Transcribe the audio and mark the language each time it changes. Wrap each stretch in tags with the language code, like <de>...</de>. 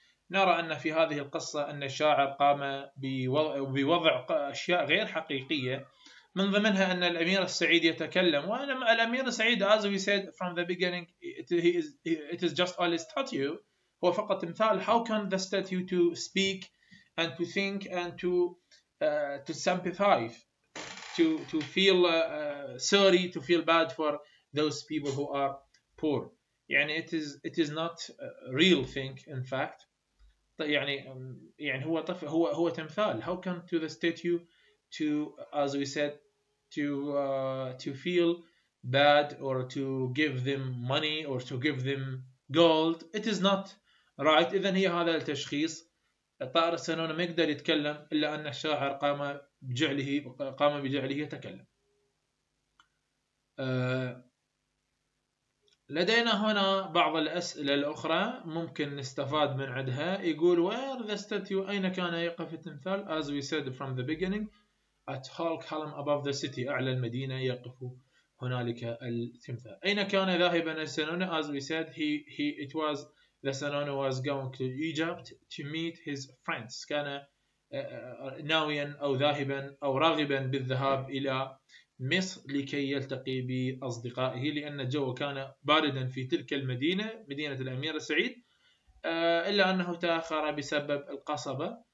<ar>نرى ان في هذه القصه ان الشاعر قام بوضع اشياء غير حقيقيه، من ضمنها ان الامير السعيد يتكلم، وانا الامير السعيد</ar> <en>as we said from the beginning it is just a statue،</en> <ar>هو فقط مثال.</ar> <en>how can the statue to speak and to think and to sympathize to feel sorry to feel bad for those people who are poor. يعني it is not a real thing in fact.</en> <ar>يعني يعني هو طف هو هو تمثال.</ar> <en>how come to the statue to as we said to feel bad or to give them money or to give them gold. it is not right.</en> <ar>إذن هي هذا التشخيص. الطائر السنون ما يقدر يتكلم إلا أن الشاعر قام بجعله يتكلم. لدينا هنا بعض الأسئلة الأخرى ممكن نستفاد من عندها.</ar> <en>يقول where the statue،</en> <ar>أين كان يقف التمثال؟</ar> <en>as we said from the beginning at Hall Column above the city،</en> <ar>أعلى المدينة يقف هنالك التمثال. أين كان ذاهبا السنون؟</ar> <en>as we said he it was the Senone was going to Egypt to meet his friends.</en> <ar>كان ناويا أو ذاهبا أو راغبا بالذهاب إلى مصر لكي يلتقي بأصدقائه، لأن الجو كان باردا في تلك المدينة، مدينة الأمير السعيد، إلا أنه تأخر بسبب القصبة.</ar>